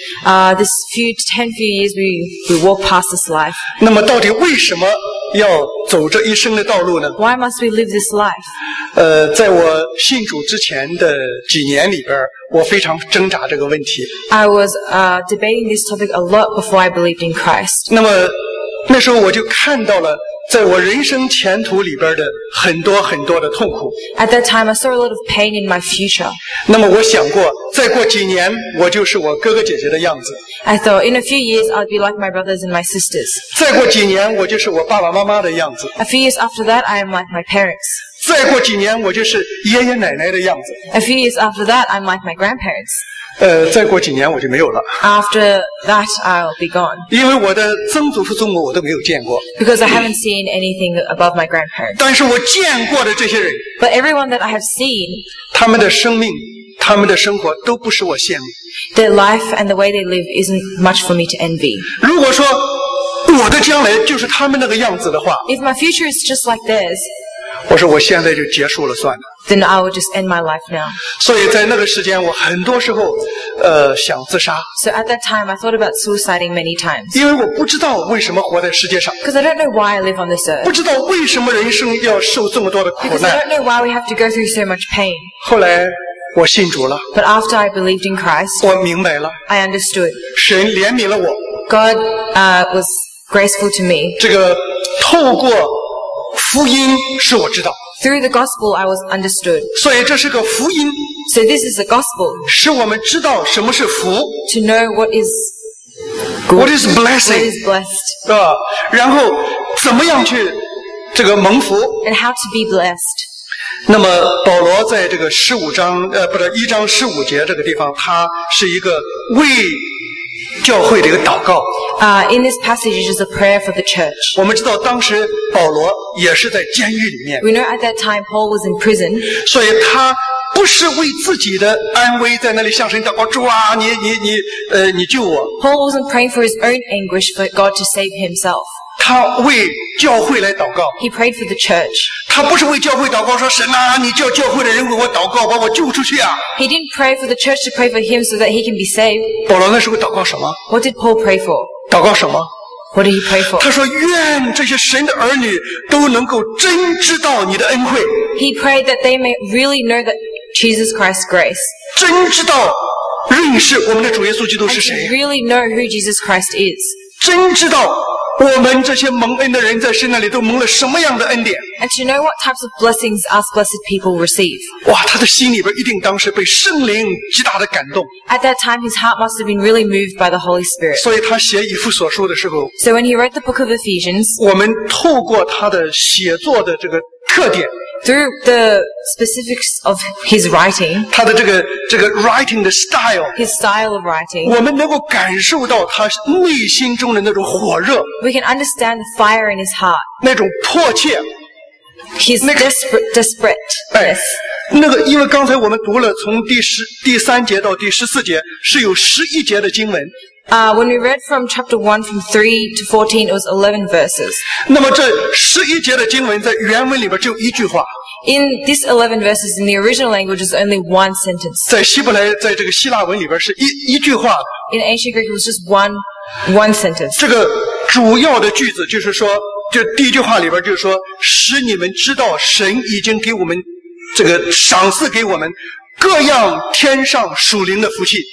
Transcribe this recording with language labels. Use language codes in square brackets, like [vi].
[en] This few, 10 few years we walk past this life. [zh] 那么到底为什么要走这一生的道路呢？ [en] Why must we live this life? [zh] 在我信主之前的几年里边，我非常挣扎这个问题。 [en] I was, debating this topic a lot before I believed in Christ. [zh] 那么那时候我就看到了在我人生前途里边的很多很多的痛苦。 [en] At that time, I saw a lot of pain in my future. [zh] 那么我想过，再过几年，我就是我哥哥姐姐的样子。 [en] I thought in a few years I'd be like my brothers and my sisters. [zh] 再过几年，我就是我爸爸妈妈的样子。 [en] A few years after that, I am like my parents. [zh] 再过几年，我就是爷爷奶奶的样子。 [en] A few years after that, I'm like my grandparents. [zh] 再过几年我就没有了。 [en] After that, I'll be gone. [zh] 因为我的曾祖父曾母我都没有见过。 [en] Because I haven't seen anything above my grandparents. [zh] 但是我见过的这些人。 [en] But everyone that I have seen. [zh] 他们的生命，他们的生活都不是我羡慕。 [en] Their life and the way they live isn't much for me to envy. [zh] 如果说我的将来就是他们那个样子的话。 [en] If my future is just like theirs. [zh] 我说我现在就结束了算了。 [en] Then I will just end my life now. [zh] 所以在那个时间，我很多时候，想自杀。 [en] So at that time, I thought about suiciding many times. [zh] 因为我不知道为什么活在世界上。 [en] Because I don't know why I live on this earth. [zh] 不知道为什么人生要受这么多的苦难。 [en] Because I don't know why we have to go through so much pain. [zh] 后来我信主了。 [en] But after I believed in Christ, [zh] 我明白了。 [en] I understood. [zh] 神怜悯了我。 [en] God, was graceful to me. [zh] 这个透过福音使我知道。 [en] Through the gospel, I was understood. [zh] 所以这是个福音。 [en] So this is the gospel. [zh] 使我们知道什么是福。 [en] To know what is good. What is blessing. What is blessed. [zh] 然后怎么样去这个蒙福。 [en] And how to be blessed. [zh] 那么保罗在这个十五章，不是一章十五节这个地方，他是一个为教会的一个祷告。 [en] In this passage, it is a prayer for the church. [zh] 我们知道当时保罗也是在监狱里面。 [en] We know at that time Paul was in prison. [zh] 所以他不是为自己的安危在那里向神祷告，主啊，你救我。 [en] Paul wasn't praying for his own anguish, but God to save himself. [zh] 他为教会来祷告。 [en] He prayed for the church. [zh] 他不是为教会祷告，说神啊，你叫教会的人为我祷告，把我救出去啊。 [en] He didn't pray for the church to pray for him so that he can be saved. [zh] 保罗那时候祷告什么？ [en] What did Paul pray for? [zh] 祷告什么？ [en] What did he pray for? [zh] 他说愿这些神的儿女都能够真知道你的恩惠。 [en] He prayed that they may really know that Jesus Christ's grace. [zh] 真知道认识我们的主耶稣基督是谁。 [en] And to really know who Jesus Christ is. [zh] 真知道我们这些蒙恩的人在神那里都蒙了什么样的恩典。 [en] And to know what types of blessings us blessed people receive. [zh] 哇，他的心里边一定当时被圣灵极大的感动。 [en] At that time, his heart must have been really moved by the Holy Spirit. [zh] 所以他写以弗所书的时候。 [en] So when he wrote the book of Ephesians. [zh] 我们透过他的写作的这个特点。 [en] Through the specifics of his writing. [zh] 他的这个 writing 的 style. [en] His style of writing. [zh] 我们能够感受到他内心中的那种火热。 [en] We can understand the fire in his heart. [zh] 那种迫切。 [en] He's desperate. [zh] 那个因为刚才我们读了从第三节到第十四节是有十一节的经文。 [en] When we read from chapter 1 from 3 to 14, it was 11 verses. [zh] 那么这十一节的经文在原文里边只有一句话。 [en] In these 11 verses, in the original language, is only one sentence. [zh] 在希伯来，在这个希腊文里边是一句话。 [en] In ancient Greek, it was just one sentence. [zh] 这个主要的句子就是说，就第一句话里边就是说，使你们知道神已经给我们这个赏赐给我们各样天上属灵的福气。